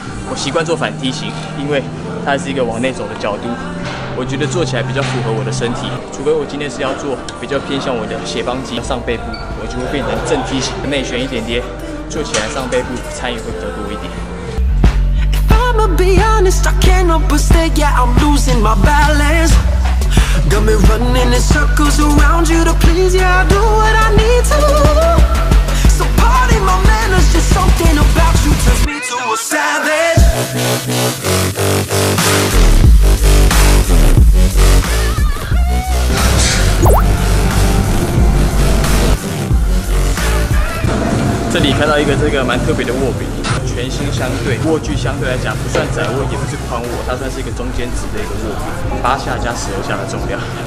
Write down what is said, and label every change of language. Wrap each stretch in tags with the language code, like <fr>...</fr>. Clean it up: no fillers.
<zh>我习惯做反梯形，因为它是一个往内走的角度，我觉得做起来比较符合我的身体。除非我今天是要做比较偏向我的斜方肌上背部，我就会变成正梯形，内旋一点点，做起来上背部参与会比较多一点。</zh> <en>Be honest, I can't help but say, yeah, I'm losing my balance. Got me running in circles around you to please, yeah, I do what I need to. So pardon my manners, just something about you turns me to a savage.</en> <zh>这里看到一个这个蛮特别的握柄。全新相对握距相对来讲不算窄握，也不是宽握，它算是一个中间值的一个握柄，8下加12下的重量。</zh>